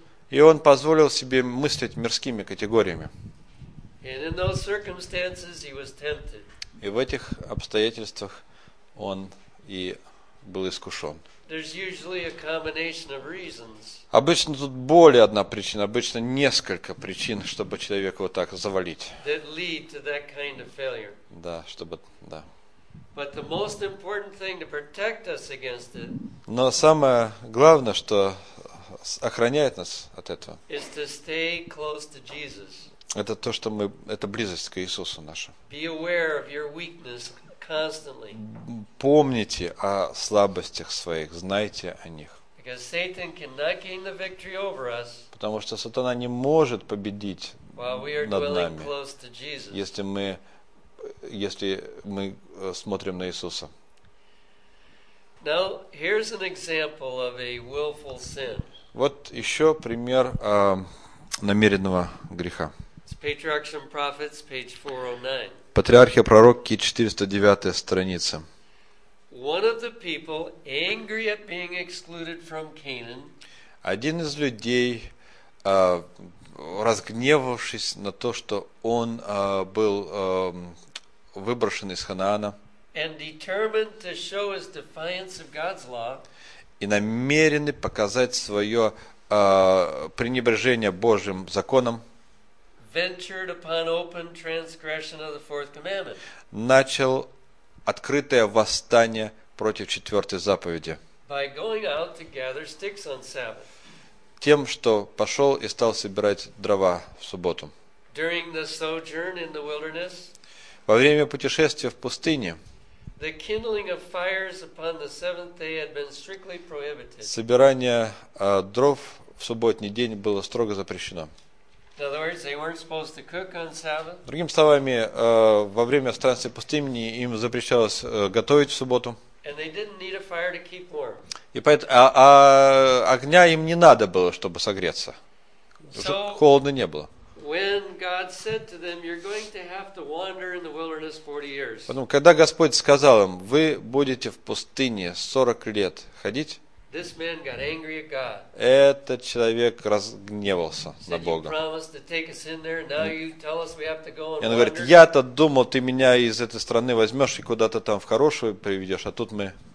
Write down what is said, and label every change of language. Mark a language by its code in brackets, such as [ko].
[ru] И он позволил себе мыслить мирскими категориями. И в этих обстоятельствах он и был искушен. [en] There's usually a combination of reasons. [ru] Обычно тут более одна причина, обычно несколько причин, чтобы человека вот так завалить. [en] That lead to that kind of failure. [ru] Да, чтобы, да. [en] But the most important thing to protect us against it. [ru] Но самое главное, что охраняет нас от этого. [en] Is to stay close to Jesus. [ru] Это то, что мы, это близость к Иисусу нашу. [en] Be aware of your weakness constantly. [ru] Помните о слабостях своих, знайте о них. [en] Because Satan cannot gain the victory over us. [ru] Потому что сатана не может победить [en] while we are [ru] над [en] dwelling [ru] нами, [en] close to Jesus. [ru] Если мы смотрим на Иисуса. [en] Now, here's an example of a willful sin. [ru] Вот еще пример намеренного греха. [en] Patriarchs and Prophets, page 409. [ru] Патриархи и пророки, 409 страница. [en] One of the people, angry at being excluded from Canaan. [ru] Один из людей, разгневавшись на то, что он был выброшен из Ханаана. [en] And determined to show his defiance of God's law. [ru] И намеренный показать свое пренебрежение Божьим законом. [en] Ventured upon open transgression of the fourth commandment. [ru] Начал открытое восстание против четвертой заповеди. [en] By going out to gather sticks on Sabbath. [ru] Тем, что пошел и стал собирать дрова в субботу. [en] During the sojourn in the wilderness. [ru] Во время путешествия в пустыне. [en] The kindling of fires upon the seventh day had been strictly prohibited. [ru] Собирание дров в субботний день было строго запрещено. [en] In other words, they weren't supposed to cook on Sabbath. [ru] Другими словами, во время странствия пустыни им запрещалось готовить в субботу. [en] And they didn't need a fire to keep warm. [ru] И поэтому, огня им не надо было, чтобы согреться. [en] So, [ru] холодно не было. [en] When God said to them, "You're going to have to wander in the wilderness 40 years." [ru] Потом, когда Господь сказал им, вы будете в пустыне 40 лет ходить. [en] This man got angry at God. [ru] Этот человек разгневался на Бога. Он говорит, я-то думал, ты меня из этой страны возьмешь и куда-то там в хорошую приведешь, а тут мы.